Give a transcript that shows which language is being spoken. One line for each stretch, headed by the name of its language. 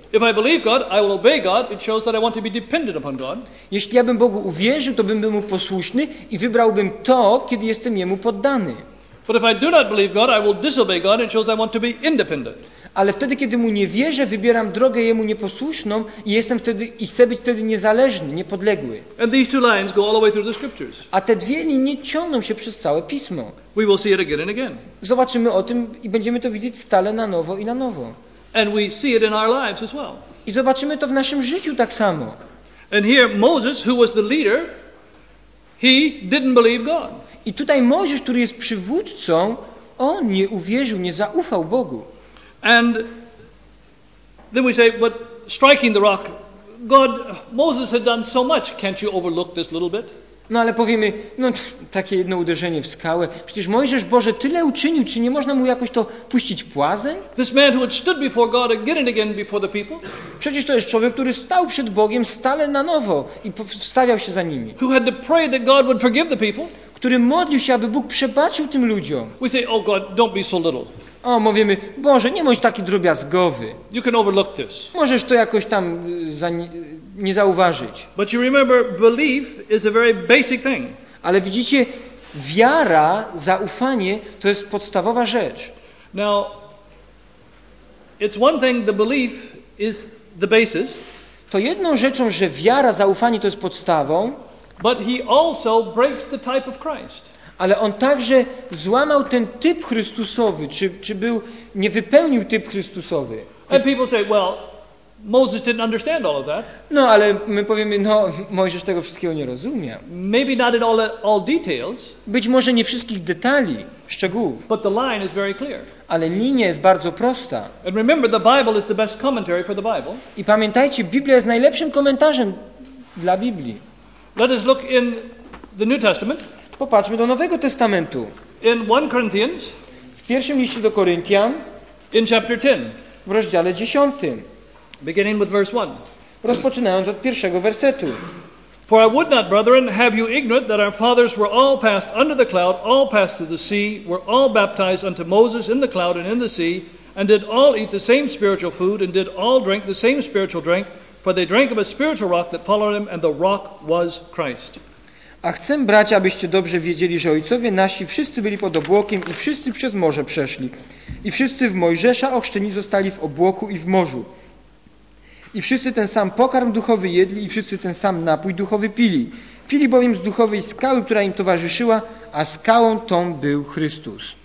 English: If I believe God, I will obey God. It shows that I want to be dependent upon God.
Polish: Jeśli ja bym Bogu uwierzył, to bym był mu posłuszny i wybrałbym to, kiedy jestem jemu poddany.
English: But if I do not believe God, I will disobey God. It shows I want to be independent.
Polish: Ale wtedy, kiedy mu nie wierzę, wybieram drogę jemu nieposłuszną i jestem wtedy i chcę być wtedy niezależny, niepodległy.
English: And these two lines go all the way through the scriptures.
Polish: A te dwie linie ciągną się przez całe Pismo.
English: We will see it again and again.
Polish: Zobaczymy o tym i będziemy to widzieć stale na nowo i na nowo.
English: And we see it in our lives as well.
Polish: I zobaczymy to w naszym życiu tak samo.
English: And here Moses, who was the leader, he didn't believe God.
Polish: I tutaj Mojżesz, który jest przywódcą, on nie uwierzył, nie zaufał Bogu.
English: And then we say, but striking the rock, God, Moses had done so much. Can't you overlook this little bit?
Polish: No ale powiemy, no takie jedno uderzenie w skałę. Przecież Mojżesz, Boże, tyle uczynił, czy nie można mu jakoś to puścić płazem?
English: This man who had stood before God again and again before the people.
Polish: Przecież to jest człowiek, który stał przed Bogiem stale na nowo i stawiał się za nimi.
English: Who had to pray that God would forgive the people.
Polish: Który modlił się, aby Bóg przebaczył tym ludziom.
English: We say, oh God, don't be so little.
Polish: O, mówimy, Boże, nie bądź taki drobiazgowy.
English: You can overlook this.
Polish: Możesz to jakoś tam nie zauważyć.
English: But you remember, belief is a very basic thing.
Polish: Ale widzicie, wiara, zaufanie, to jest podstawowa rzecz.
English: Now, it's one thing, the belief is the basis.
Polish: To jedną rzeczą, że wiara, zaufanie, to jest podstawą.
English: But he also breaks the type of Christ.
Polish: Ale on także złamał ten typ Chrystusowy, czy był, nie wypełnił typ Chrystusowy.
English: And people say, well, Moses didn't understand all of that.
Polish: No, ale my powiemy, no, Mojżesz tego wszystkiego nie rozumiał.
English: Maybe not in all details.
Polish: Być może nie wszystkich detali, szczegółów.
English: But the line is very clear.
Polish: Ale linia jest bardzo prosta.
English: And remember, the Bible is the best commentary for the Bible.
Polish: I pamiętajcie, Biblia jest najlepszym komentarzem dla Biblii.
English: Let us look in the New Testament.
Polish: Popatrzmy do Nowego Testamentu.
English: In 1 Corinthians,
Polish: w pierwszym liście do Koryntian,
English: in chapter 10,
Polish: w rozdziale 10,
English: beginning with verse 1.
Polish: Rozpoczynając od pierwszego wersetu.
English: For I would not, brethren, have you ignorant that our fathers were all passed under the cloud, all passed through the sea, were all baptized unto Moses in the cloud and in the sea, And did all eat the same spiritual food, and did all drink the same spiritual drink, for they drank of a spiritual rock that followed them, and the rock was Christ.
Polish: A chcę, bracia, abyście dobrze wiedzieli, że ojcowie nasi wszyscy byli pod obłokiem i wszyscy przez morze przeszli. I wszyscy w Mojżesza ochrzczeni zostali w obłoku i w morzu. I wszyscy ten sam pokarm duchowy jedli i wszyscy ten sam napój duchowy pili. Pili bowiem z duchowej skały, która im towarzyszyła, a skałą tą był Chrystus.